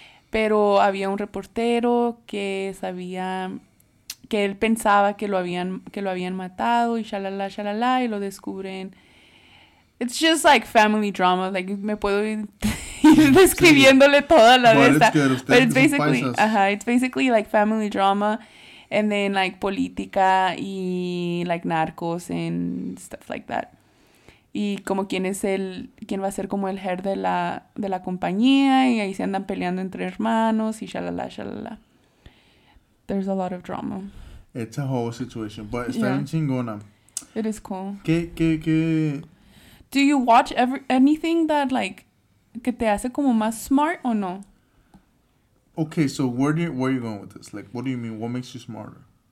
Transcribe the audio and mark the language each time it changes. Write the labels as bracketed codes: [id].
[es] Pero había un reportero que sabía que él pensaba que lo habían matado y shalala, shalala, y lo descubren. [en] It's just like family drama. Like, [es] me puedo ir describiéndole toda la de esta. [en] But it's basically, it's basically like family drama, and then like [es] política y [en] like narcos and stuff like that. [es] Y como quién es el, quién va a ser como el head de la compañía, y ahí se andan peleando entre hermanos y shalala, shalala. [en] There's a lot of drama. It's a whole situation, but it's [es] bien chingona. [en] It is cool. [es] ¿Qué? [en] Do you watch anything that, like, [es] que te hace como más [en] smart [es] o no? [en] Okay, so where are you going with this? Like, what do you mean? What makes you smarter?